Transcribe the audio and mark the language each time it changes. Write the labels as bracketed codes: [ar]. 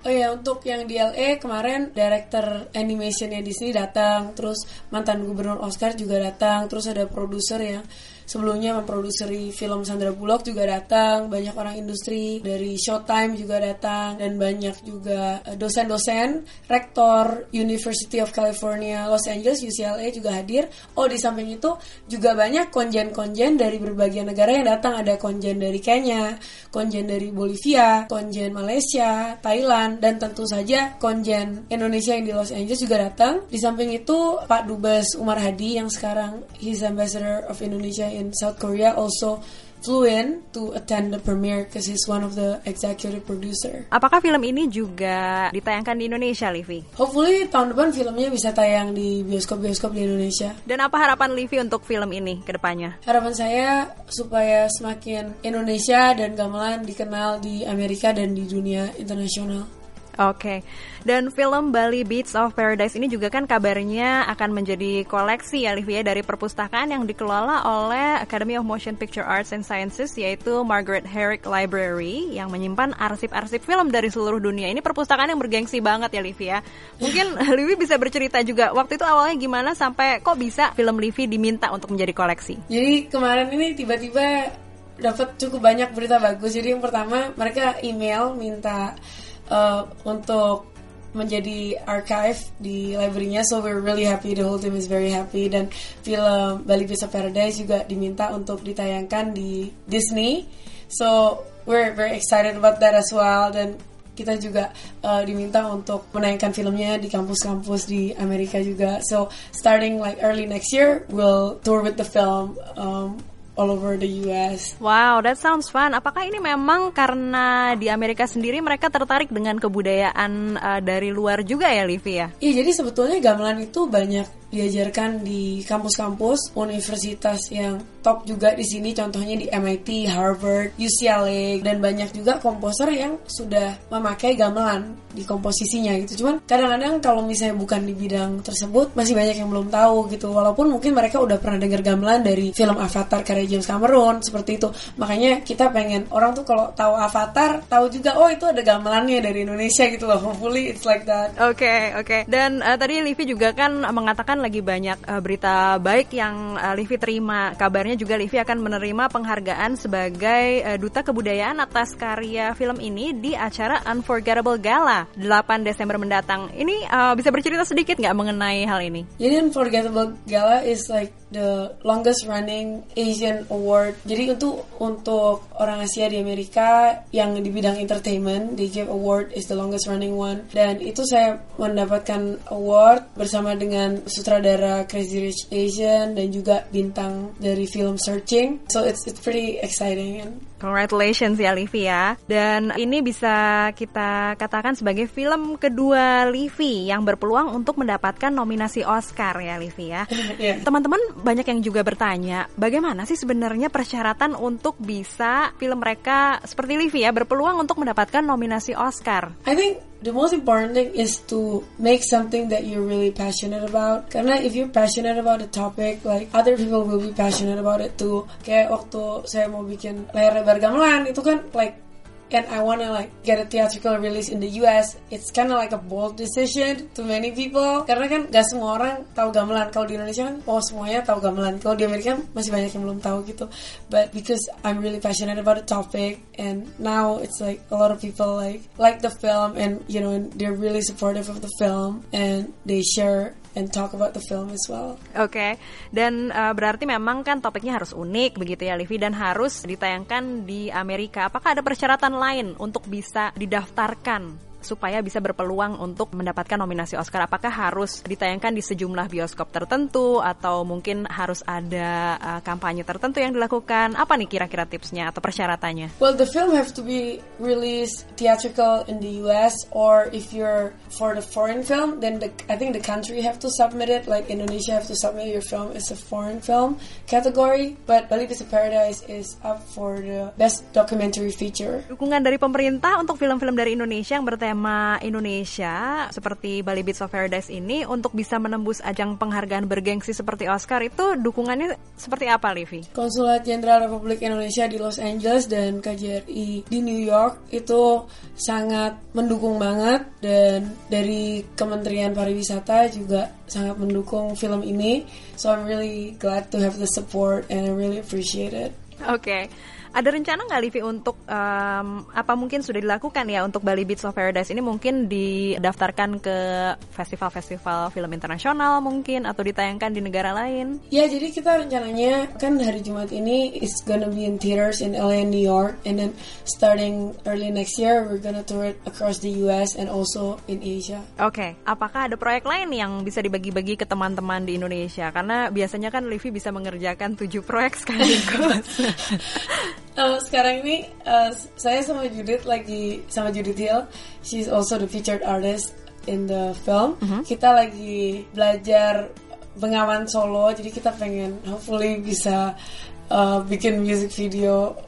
[id] Oh ya, untuk yang di LA kemarin director animationnya Disney datang, terus mantan gubernur Oscar juga datang, terus ada produser yang sebelumnya memproduseri film Sandra Bullock juga datang, banyak orang industri dari Showtime juga datang, dan banyak juga dosen-dosen, rektor University of California Los Angeles, UCLA juga hadir. Oh, di samping itu juga banyak konjen-konjen dari berbagai negara yang datang, ada konjen dari Kenya, konjen dari Bolivia, konjen Malaysia, Thailand, dan tentu saja konjen Indonesia yang di Los Angeles juga datang. Di samping itu Pak Dubes Umar Hadi yang sekarang [en] he's ambassador of Indonesia in South Korea also flew in to attend the premiere because he's one of the executive producer. [id] Apakah film ini juga ditayangkan di Indonesia, Livi? Hopefully tahun depan filmnya bisa tayang di bioskop-bioskop di Indonesia. Dan apa harapan Livi untuk film ini ke depannya? Harapan saya supaya semakin Indonesia dan gamelan dikenal di Amerika dan di dunia internasional. Oke. Dan film Bali Beats of Paradise ini juga kan kabarnya akan menjadi koleksi ya Livia, dari perpustakaan yang dikelola oleh Academy of Motion Picture Arts and Sciences, yaitu Margaret Herrick Library, yang menyimpan arsip-arsip film dari seluruh dunia. Ini perpustakaan yang bergengsi banget ya Livia. Mungkin Livi bisa bercerita juga, waktu itu awalnya gimana sampai kok bisa film Livi diminta untuk menjadi koleksi? Jadi kemarin ini tiba-tiba dapat cukup banyak berita bagus. Jadi yang pertama, mereka email minta untuk menjadi archive di library-nya. [en] So we're really happy, the whole team is very happy. [id] Dan film Bali Beats of Paradise juga diminta untuk ditayangkan di Disney. [en] So we're very excited about that as well. [id] Dan kita juga diminta untuk menayangkan filmnya di kampus-kampus di Amerika juga. [en] So starting like early next year, we'll tour with the film all over the US. Wow, that sounds fun. [id] Apakah ini memang karena di Amerika sendiri mereka tertarik dengan kebudayaan dari luar juga ya, Livia? Iya, jadi sebetulnya gamelan itu banyak diajarkan di kampus-kampus universitas yang top juga di sini, contohnya di MIT, Harvard, UCLA, dan banyak juga komposer yang sudah memakai gamelan di komposisinya gitu. Cuman kadang-kadang kalau misalnya bukan di bidang tersebut, masih banyak yang belum tahu gitu. Walaupun mungkin mereka udah pernah dengar gamelan dari film Avatar karya James Cameron seperti itu. Makanya kita pengen orang tuh kalau tahu Avatar, tahu juga oh itu ada gamelannya dari Indonesia gitu loh. [en] Hopefully it's like that. [id] Okay. Dan tadi Livi juga kan mengatakan lagi banyak berita baik yang Livi terima. Kabarnya juga Livi akan menerima penghargaan sebagai duta kebudayaan atas karya film ini di acara Unforgettable Gala 8 Desember mendatang. Ini bisa bercerita sedikit nggak mengenai hal ini? [en] Jadi Unforgettable Gala is like the longest running Asian award. [id] Jadi untuk orang Asia di Amerika yang di bidang entertainment, [en] the AGF award is the longest running one. [id] Dan itu saya mendapatkan award bersama dengan sutradara Crazy Rich Asian dan juga bintang dari film Searching. [en] So it's pretty exciting. [id] Congratulations ya Livi ya. Dan ini bisa kita katakan sebagai film kedua Livi yang berpeluang untuk mendapatkan nominasi Oscar ya Livi ya. [en] Yeah. [id] Teman-teman banyak yang juga bertanya, bagaimana sih sebenarnya persyaratan untuk bisa film mereka seperti Livi ya berpeluang untuk mendapatkan nominasi Oscar? [en] I think the most important thing is to make something that you're really passionate about. Karena if you're passionate about the topic, like other people will be passionate about it too. [id] Kayak waktu saya mau bikin layar lebar gamelan itu kan [en] like, and I wanna like get a theatrical release in the US. It's kind of like a bold decision to many people. [id] Karena kan gak semua orang tahu gamelan. Kalau di Indonesia kan oh semuanya tahu gamelan. Kalau di Amerika masih banyak yang belum tahu gitu. [en] But because I'm really passionate about the topic, and now it's like a lot of people like the film, and you know, and they're really supportive of the film, and they share and talk about the film as well. Okay. [id] Dan berarti memang kan topiknya harus unik begitu ya Livi, dan harus ditayangkan di Amerika. Apakah ada persyaratan lain untuk bisa didaftarkan supaya bisa berpeluang untuk mendapatkan nominasi Oscar? Apakah harus ditayangkan di sejumlah bioskop tertentu, atau mungkin harus ada kampanye tertentu yang dilakukan? Apa nih kira-kira tipsnya atau persyaratannya? [en] Well, the film have to be released theatrical in the US, or if you're for the foreign film, then I think the country have to submit it. Like Indonesia have to submit your film as a foreign film category, but Bali Beats of Paradise is up for the best documentary feature. [id] Dukungan dari pemerintah untuk film-film dari Indonesia yang tema Indonesia seperti Bali Beats of Paradise ini untuk bisa menembus ajang penghargaan bergengsi seperti Oscar, itu dukungannya seperti apa Livi? Konsulat Jenderal Republik Indonesia di Los Angeles dan KJRI di New York itu sangat mendukung banget, dan dari Kementerian Pariwisata juga sangat mendukung film ini. [en] So I'm really glad to have the support and I really appreciate it. Okay. [id] Ada rencana nggak Livi untuk apa mungkin sudah dilakukan ya untuk Bali Beats of Paradise ini, mungkin didaftarkan ke festival-festival film internasional mungkin, atau ditayangkan di negara lain? Ya, jadi kita rencananya kan hari Jumat ini [en] it's gonna be in theaters in LA and New York, and then starting early next year we're gonna tour it across the US and also in Asia. Okay. [id] Apakah ada proyek lain yang bisa dibagi-bagi ke teman-teman di Indonesia? Karena biasanya kan Livi bisa mengerjakan 7 proyek sekaligus. Sekarang ini saya sama Judith lagi, sama Judith Hill, [en] she's also the featured artist in the film. [id] Mm-hmm. Kita lagi belajar Bengawan solo, jadi kita pengen hopefully bisa bikin music video